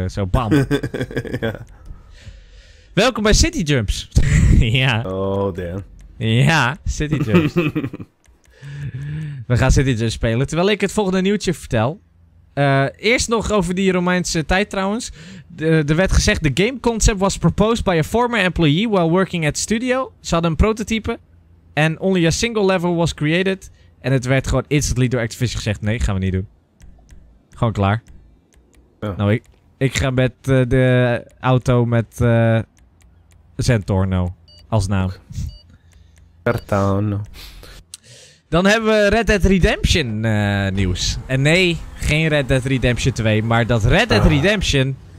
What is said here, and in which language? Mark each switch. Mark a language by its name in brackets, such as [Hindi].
[Dutch] Ja. Zo, bam. Ja. Welkom bij City Jumps. Ja. Oh, damn. Ja, City Jumps. We gaan City Jumps spelen. Terwijl ik het volgende nieuwtje vertel. Eerst nog over die Romeinse tijd trouwens. Er werd gezegd, [English] the game concept was proposed by a former employee while working at studio. [Dutch] Ze hadden een prototype. [English] And only a single level was created. [Dutch] En het werd gewoon instantly door Activision gezegd, nee, gaan we niet doen. Gewoon klaar. Ja. Nou, ik ga met de auto met Zentorno als naam. Zentorno. Dan hebben we Red Dead Redemption nieuws. En nee, geen Red Dead Redemption 2, maar dat Red Dead Redemption...